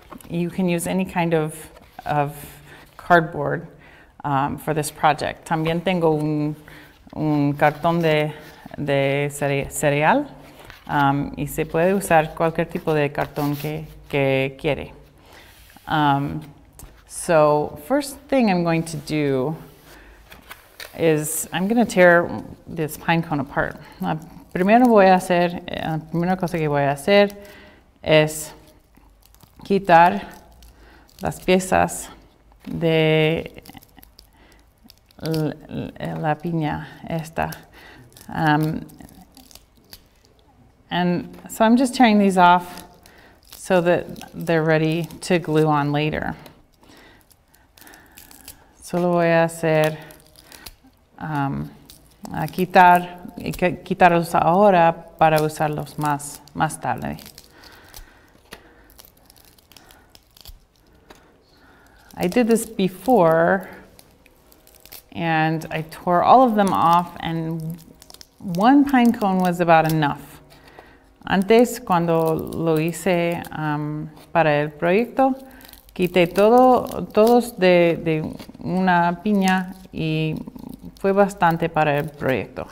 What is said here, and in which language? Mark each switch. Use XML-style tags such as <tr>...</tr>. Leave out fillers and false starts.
<en>You can use any kind of cardboard for this project.</en> <es>También tengo un cartón de cereal y se puede usar cualquier tipo de cartón que quiere.</es> <en>So first thing I'm going to do is I'm going to tear this pine cone apart.</en> <es>La primera cosa que voy a hacer es quitar las piezas de la piña esta.</es> <en>And so I'm just tearing these off so that they're ready to glue on later.</en> <es>Solo voy a hacer a quitar y quitarlos ahora para usarlos más tarde.</es> <en>I did this before and I tore all of them off and one pine cone was about enough.</en> <es>Antes, cuando lo hice para el proyecto, quité todos de una piña y fue bastante para el proyecto.</es>